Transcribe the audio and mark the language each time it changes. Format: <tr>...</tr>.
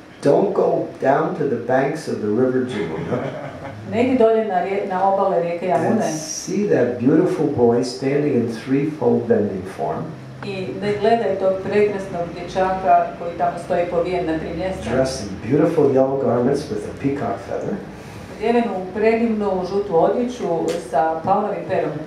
<en>Don't go down to the banks of the river Jumna.</en> <hr>Ne idi dolje na obale rijeke Jamune.</hr> <en>And see that beautiful boy standing in threefold bending form.</en> <hr>I ne gledaj tog prekrasnog dječaka koji tamo stoji povijen na tri mjesta.</hr> <en>Dressed in beautiful yellow garments with a peacock feather.</en> <hr>Odjeven u predivnu žutu odjeću sa paunovim perom.</hr>